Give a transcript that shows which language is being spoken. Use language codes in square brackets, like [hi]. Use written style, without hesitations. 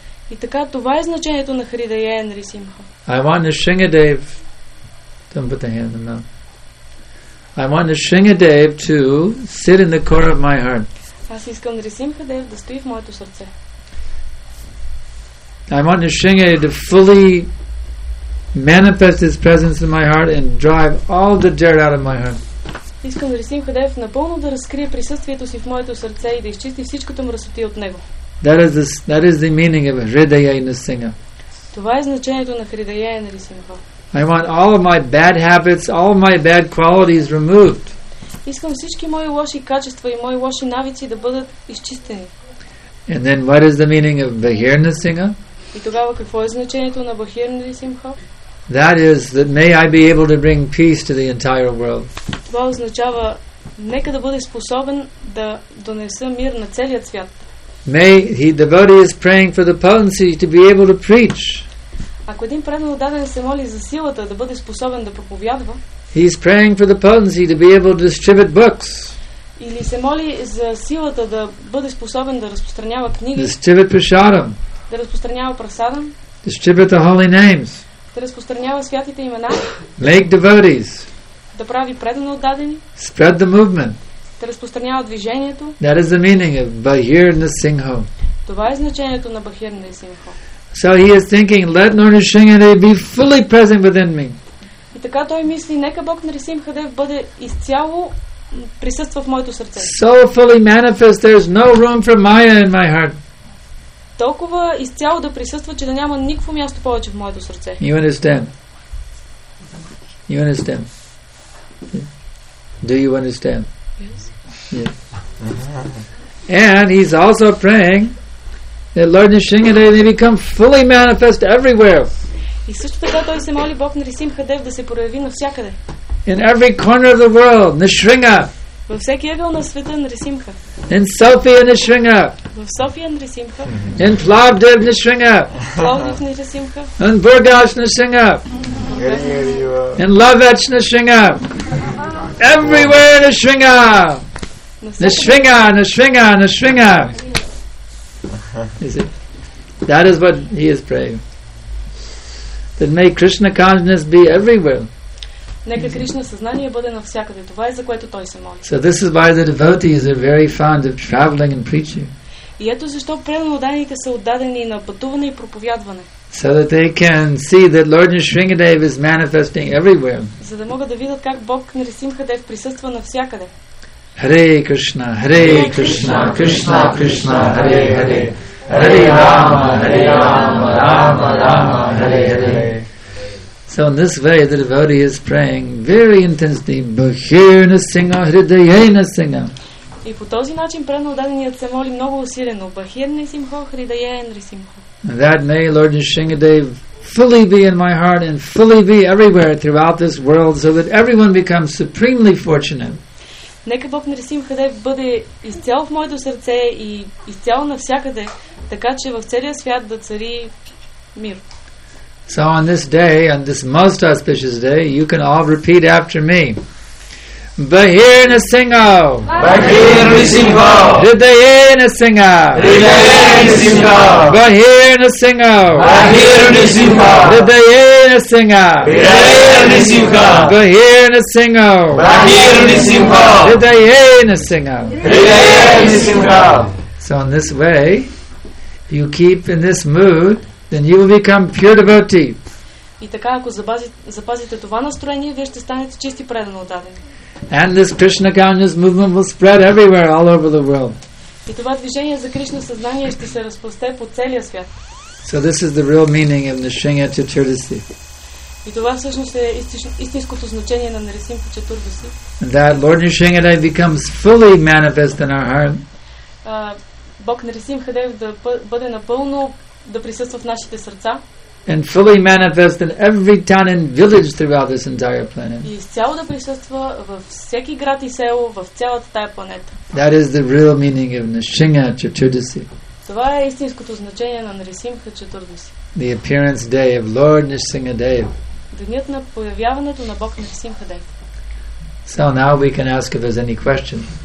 [bg] И така това е значението на Хридаяен Нарисимха. [en] I want to Shingadev. Don't put the hand in the mouth. I want to Shingadev to sit in the core of my heart. [bg] Аз искам Нарисимхадев да стои в моето сърце. [en] I want to Shingadev to fully manifest his presence in my heart and drive all the dirt out of my heart. [bg] Искам Нарисимхадев напълно да разкрие присъствието си в моето сърце и да изчисти всичката мръсотия от него. [en] That is the meaning of Hridayena Singha. [bg] Това е значението на Хридаяен Нарисимха. [en] I want all of my bad habits, all my bad qualities removed. [bg] Искам всички мои лоши качества и мои лоши навици да бъдат изчистени. [en] And then what is the meaning of Bahirna Singha? [bg] И тогава какво е значението на Бахир Нарисимха? [en] That is that may I be able to bring peace to the entire world. [bg] Това означава нека да бъде способен да донеса мир на целия свят. [en] May he, the devotee is praying for the potency to be able to preach. [bg] Ако един предан отдаден се моли за силата да бъде способен да проповядва. [en] He is praying for the potency to be able to distribute books. [bg] Или се моли за силата да бъде способен да разпространява книги. [en] Distribute prasadam. [bg] Да разпространява прасадам. [en] Distribute the holy names. [bg] Да разпространява святите имена. [en] Make devotees. [bg] Да прави предан отдадени. [en] Spread the movement. [bg] Да разпространява движението. [en] That is the meaning of Bahir Nisingho. [bg] Това е значението на Бахир Нарисимха. [en] So he is thinking, let Narasimhadev be fully present within me. [bg] И така той мисли, нека Бог Нарисимхадев бъде изцяло присъства в моето сърце. [en] So fully manifest, there is no room for Maya in my heart. [bg] Толкова изцяло да присъства, че да няма никакво място повече в моето сърце. [en] You understand? You understand? Do you understand? Yes. Yeah. And he's also praying that Lord Nrisimhadev may become fully manifest everywhere. [bg] И също така той се моли Бог Нарисимхадев да се прояви навсякъде. [en] In every corner of the world, Нишринга. [bg] Във всеки ъгъл на света Нарисимха. [en] In Sofia, Нишринга. [bg] В София Нарисимха. [en] In Plovdiv, Нишринга. [bg] Plovdiv, Нарисимха. [en] In Burgas, Нишринга. In Lovech, Нишринга. Everywhere in the Shringa! The Shringa, the Shringa, the Shringa! Is it? That is what he is praying. That may Krishna consciousness be everywhere. [bg] Нека Кришна съзнание бъде навсякъде. Това е за което той се моли. [en] So this is why the devotees are very fond of traveling and preaching. [bg] И ето защо преданодайните са отдадени на пътуване и проповядване. [en] So that they can see that Lord Nrisimhadev is manifesting everywhere. [bg] За да могат да видят как Бог Нарисимхадев присъства навсякъде. [sa] Hare Krishna, Hare Krishna, Krishna Krishna, Hare Hare. Hare Rama, Hare Rama, Rama Rama, Hare Hare. [en] So in this way the devotee is praying very intensely, [sa] Bahir Nrisimha Hridayena Nrisimha. [bg] И по този начин преданоданият се моли много усилено, [sa] Бахир Нрисимха Хридаяен Нрисимха. [en] That may Lord Nrisimhadev fully be in my heart and fully be everywhere throughout this world so that everyone becomes supremely fortunate. [bg] Нека Бог Нарисимхадев бъде изцяло в моето сърце и изцяло навсякъде, така че в целия свят да цари мир. [en] So on this day, on this most auspicious day, you can all repeat after me. [sa] Bahir Nrisimha. Bahir Nrisimha. Hridayena Nrisimha. Hridayena Nrisimha. Bahir Nrisimha. Bahir Nrisimha. Hridayena Nrisimha. Hridayena Nrisimha. Bahir Nrisimha. Bahir Nrisimha. Hridayena Nrisimha. Hridayena Nrisimha. [en] So in this way, if you keep in this mood, then you will become pure devotee. [bg] И така, ако запазите това настроение, вие ще станете чисти предано отдадени. [en] And this Krishna consciousness movement will spread everywhere, all over the world. [bg] И това движение за Кришна съзнание ще се разпросте по целия свят. [en] So this is the real meaning of Nrisimha Chaturdasi. [bg] И това всъщност е истинското значение на Нарисимха Чатурдаси. [en] That Lord Nrisimhadev becomes fully manifest in our heart. [bg] Бог Нарисимхадев да бъде напълно да присъства в нашите сърца. [en] And fully manifest in every town and village throughout this entire planet. [bg] И изцяло да присъства във всеки град и село в цялата тая планета. [en] That is the real meaning of Nrisimha Chaturdasi. [bg] Това е истинското значение на Нарисимха Чатурдаси. [en] The appearance day of Lord Nrisimhadev. [bg] Денят на появяването на Бог Нрисимхадев. [en] So now we can ask if there's any question.